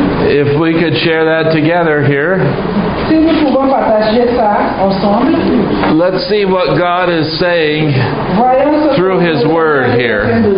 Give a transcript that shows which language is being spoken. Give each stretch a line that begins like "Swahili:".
English: If we could share that together here.
French: Si nous pouvons partager ça ensemble.
English: Let's see what God is saying through His Word here.